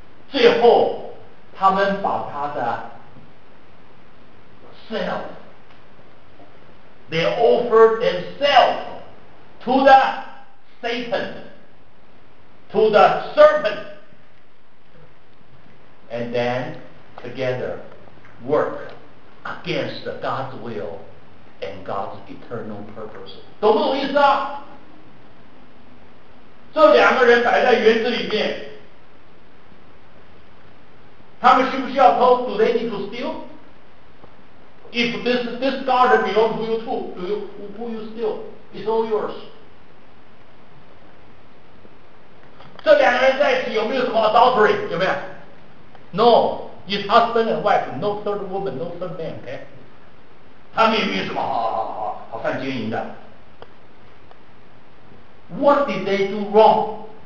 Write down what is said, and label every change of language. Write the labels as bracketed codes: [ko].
[zh] 最后，他们把他的 [en] self, they offer themselves to the Satan, to the serpent, and then together. Work against God's will and God's eternal purpose. [zh] 懂不懂意思啊？这两个人摆在园子里面，他们需不需要偷？ [en] Do they need to steal? If this garden belongs to you too, will you steal? It's all yours. [zh] 这两个人在一起有没有什么 adultery? 有没有？No. [en] His husband and wife, no third woman, no third man, okay? [zh] 他们有没有什么好犯奸淫的 [en] ？What did they do wrong?